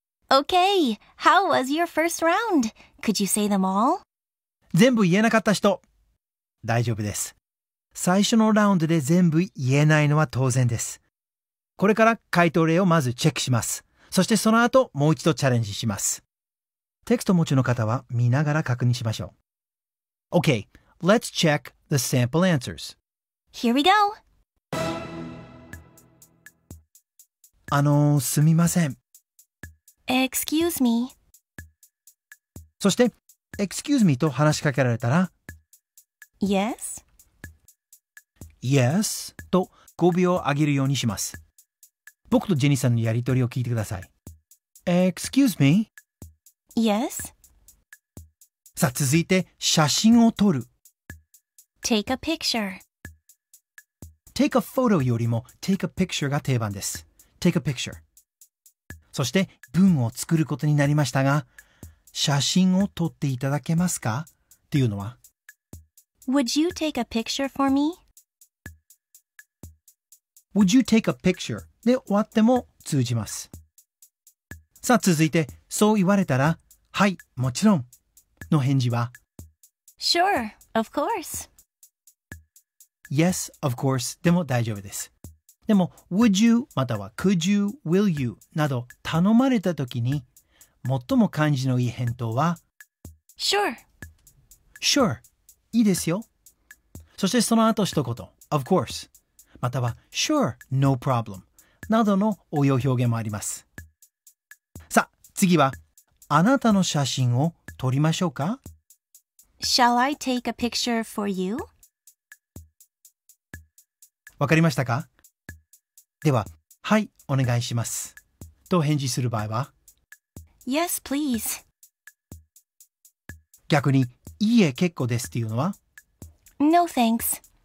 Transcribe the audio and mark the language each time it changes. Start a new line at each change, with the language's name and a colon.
English: Okay, how was your first round? Could you say them all?
Japanese: 全部言えなかった人、大丈夫です。最初のラウンドで全部言えないのは当然です。これから回答例をまずチェックします。そしてその後もう一度チャレンジします。テクスト持ちの方は見ながら確認しましょう。
English: Okay, let's check the sample answers. Here we go.
Japanese: すみません。
English: Excuse me.
Japanese: そして、
English: excuse me
Japanese: と話しかけられたら、
English: Yes? Yes?
Japanese: と語尾を上げるようにします。僕とジェニーさんのやりとりを聞いてください。
English: Excuse me? Yes?
Japanese: さあ、続いて、写真を撮る。
English: Take a picture. Take a photo
Japanese: よりも、
English: take a picture
Japanese: が定番です。
English: Take a picture.
Japanese: そして文を作ることになりましたが、写真を撮っていただけますかっていうのは、
English: Would you take a picture for me? Would you take a picture?
Japanese: で終わっても通じます。さあ続いて、そう言われたら、はい、もちろんの返事は、
English: Sure, of course. Yes, of course.
Japanese: でも大丈夫です。でも、
English: would you
Japanese: または
English: could you, will you
Japanese: など頼まれたときに最も感じのいい返答は
English: Sure.
Japanese: Sure. いいですよ。そしてその後一言
English: Of course. または Sure, no problem.
Japanese: などの応用表現もあります。さあ、次はあなたの写真を撮りましょうか?
English: Shall I take a picture for you?
Japanese: わかりましたか? では、はい、お願いします。と返事する場合は?
English: Yes, please.
Japanese: 逆に、いいえ、結構ですっていうのは?
English: No, thanks.